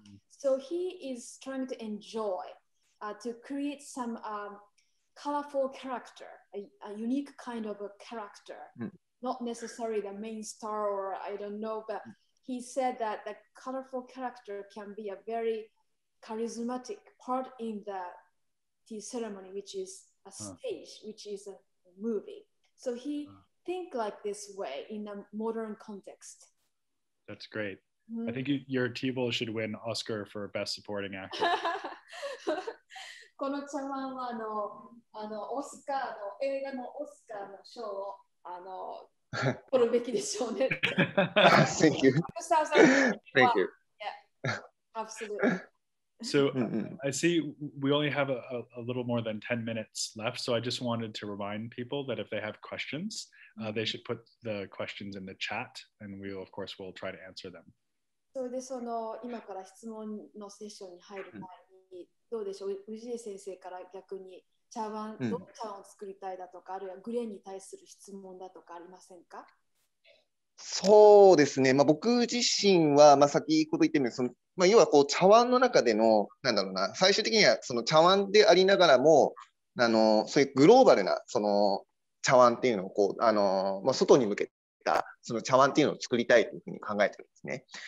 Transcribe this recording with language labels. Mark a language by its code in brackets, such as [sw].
[en] So he is trying to enjoy, to create some colorful character, a unique kind of a character, not necessarily the main star or I don't know, but he said that the colorful character can be a very charismatic part in the tea ceremony, which is a stage, which is a movie. So he think like this way in a modern context. That's great. Mm-hmm. I think your tea bowl should win Oscar for best supporting actor. [ja] この茶碗はオスカーの映画のオスカーの賞を取るべきでしょうね。 [en] Thank you. Thank you. Yeah, absolutely. So I see we only have a little more than 10 minutes left. So I just wanted to remind people that if they have questions, they should put the questions in the chat and we will, of course, we'll try to answer them. [ja] So で、その今から質問のセッションに入る前に、どうでしょう、宇治先生から逆に茶碗、どの茶碗を作りたいだとか、あるいはグレーに対する質問だとかありませんか？そうですね、まあ、僕自身は、まあ、先ほど言ってみる、まあ、要はこう茶碗の中での何だろうな、最終的にはその茶碗でありながらもそういうグローバルなその茶碗っていうのをこう外に向けたその茶碗っていうのを作りたいというふうに考えてるんですね。